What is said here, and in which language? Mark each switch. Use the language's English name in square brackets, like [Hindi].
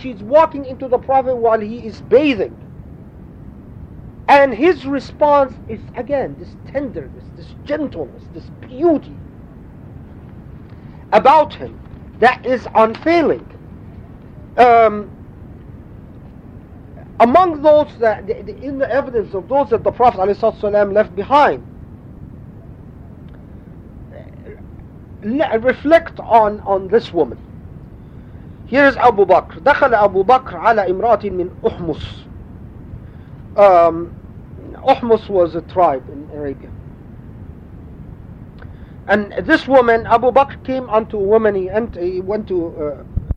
[English] She's walking into the Prophet while he is bathing. And his response is, again, this tenderness, this gentleness, this beauty about him that is unfailing. Among those that, in the evidence of those that the Prophet ﷺ left behind, reflect on this woman. Here is Abu Bakr. [Arabic] دخل أبو بكر على امرأة من أحمص. [English] Uhmus was a tribe in Arabia. And this woman, Abu Bakr, came unto a woman, he went to